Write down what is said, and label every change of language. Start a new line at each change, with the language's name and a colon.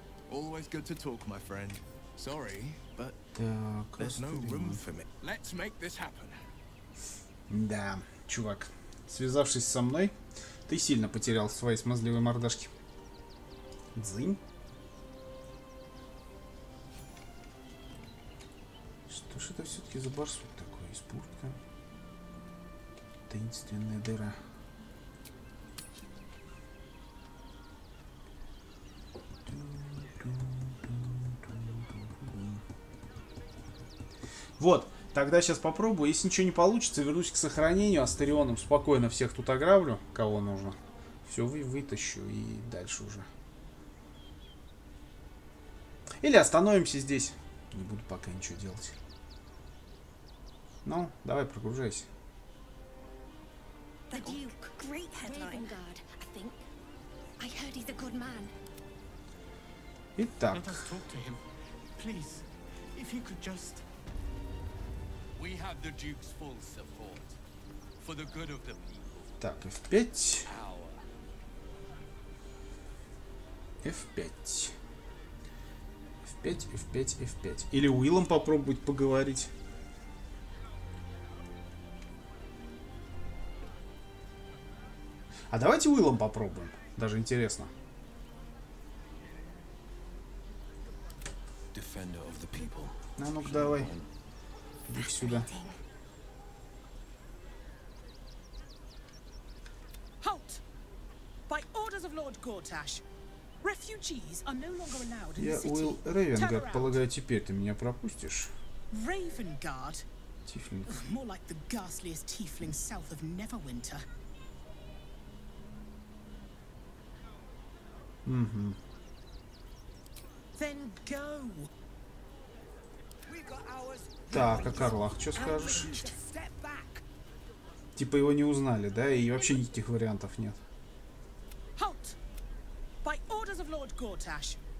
English: Always good to talk, my friend. Sorry, but there's no room for me. Let's make this happen.
Russian: Да, чувак, связавшись со мной, ты сильно потерял свои смазливые мордашки. Дзынь. Что ж это все-таки за барсук такой? Испуртка. Таинственная дыра. Вот, тогда сейчас попробую. Если ничего не получится, вернусь к сохранению. Астарионом спокойно всех тут ограблю, кого нужно. Все вытащу и дальше уже. Или остановимся здесь. Не буду пока ничего делать. Ну, давай, прогружайся.
English: The Duke, great headline guard, I think. I heard he's a good man. Итак. Let us talk to him. Please, if you could just... We have the Duke's full support. For the good of the people.
Russian: Так, F5. F5. F5, F5, F5. Или Уиллом попробовать поговорить. А давайте Уиллом попробуем. Даже интересно.
English: Defender of the people.
Russian: А ну-ка давай. Иди сюда.
English: Halt! By orders of Lord Gortash. Refugees are no longer allowed in the city.
Russian: Я Уилл Рейвенгард, полагаю, теперь ты меня пропустишь. Рейвенгард? Тифлинг.
English: More like the ghastliest tiefling south of Neverwinter.
Russian: Угу. Так, а Карлах, что скажешь? Типа его не узнали, да? И вообще никаких вариантов нет.
English: Halt! By orders of Lord Gortash.